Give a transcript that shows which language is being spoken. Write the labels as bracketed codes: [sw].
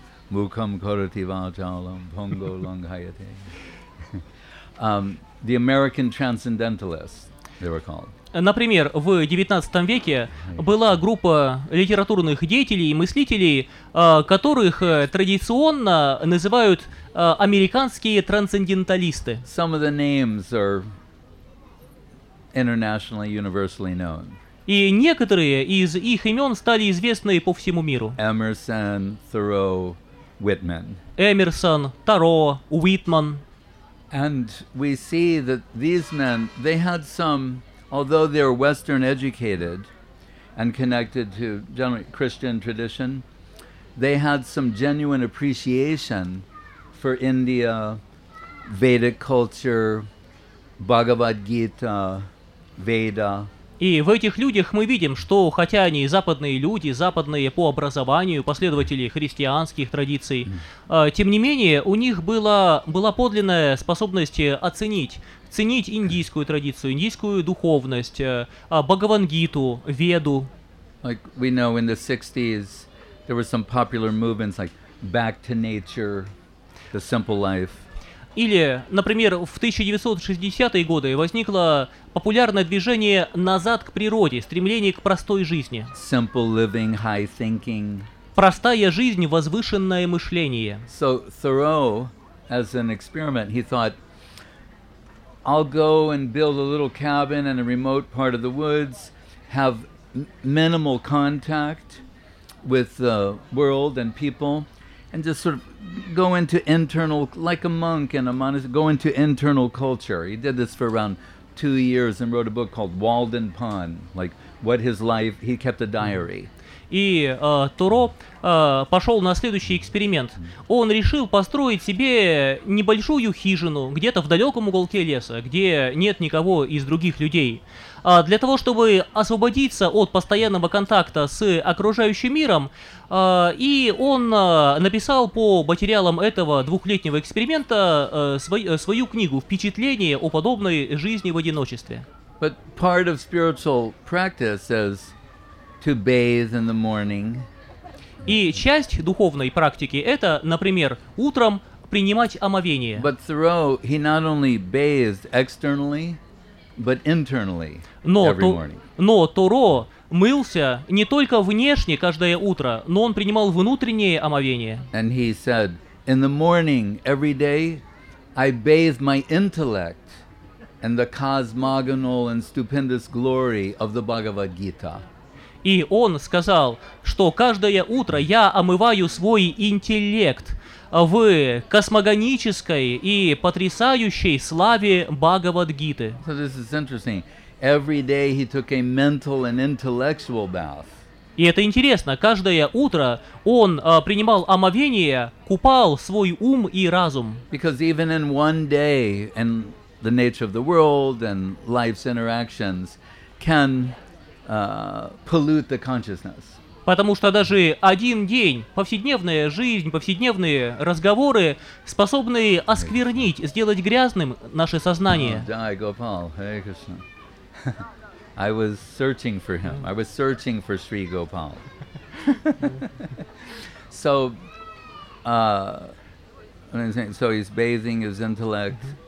[sa] Mukham Karati Vajalam Pongo Langhayate. [en] The American Transcendentalists, they were called. [ru] Например, в 19 веке была группа литературных деятелей и мыслителей, которых традиционно называют американские трансценденталисты. [en] Some of the names are internationally, universally known. [ru] И некоторые из их имен стали известны по всему миру. [en] Emerson, Thoreau, Whitman. [ru] Эмерсон, Таро, Уитман. [en] And we see that these men, they had some, although they're Western educated and connected to general Christian tradition, they had some genuine appreciation for India, Vedic culture, Bhagavad Gita, Veda. [ru] И в этих людях мы видим, что хотя они западные люди, западные по образованию, последователи христианских традиций, тем не менее у них была подлинная способность ценить индийскую традицию, индийскую духовность, Бхагавангиту, Веду. [en] Like we know in the 60s, there were some popular movements like Back to Nature, The Simple Life. [ru] Или, например, в 1960-е годы возникло популярное движение «Назад к природе», стремление к простой жизни. [en] Simple living, high thinking. [ru] Простая жизнь, возвышенное мышление. [en] So Thoreau, as an experiment, he thought, I'll go and build a little cabin in a remote part of the woods, have minimal contact with the world and people, and just sort of go into internal, like a monk in a monastery, go into internal culture. He did this for around 2 years and wrote a book called Walden Pond, like what his life, he kept a diary. [ru] И Туро пошел на следующий эксперимент. Он решил построить себе небольшую хижину где-то в далеком уголке леса, где нет никого из других людей. Для того, чтобы освободиться от постоянного контакта с окружающим миром, и он написал по материалам этого двухлетнего эксперимента свою книгу «Впечатление о подобной жизни в одиночестве». [en] But part of spiritual practice is to bathe in the morning. [ru] И часть духовной практики – это, например, утром принимать омовение. [en] But Thoreau, he not only bathed externally, but internally every morning. [ru] Но Туро мылся не только внешне каждое утро, но он принимал внутреннее омовение. [en] And he said, in the morning, every day, I bathe my intellect and the cosmogonal and stupendous glory of the Bhagavad Gita. [ru] И он сказал, что каждое утро я омываю свой интеллект в космогонической и потрясающей славе Бхагавад-гиты. [en] So this is interesting. Every day he took a mental and intellectual bath. [ru] И это интересно. Каждое утро он принимал омовение, купал свой ум и разум. Because even in one day, and the nature of the world and life's interactions can pollute the consciousness. Потому что даже один день, повседневная жизнь, повседневные разговоры способны осквернить, сделать грязным наше сознание. [en] Jai Gopal, Hare Krishna. I was searching for him. I was searching for Sri Gopal. So, so he's bathing his intellect.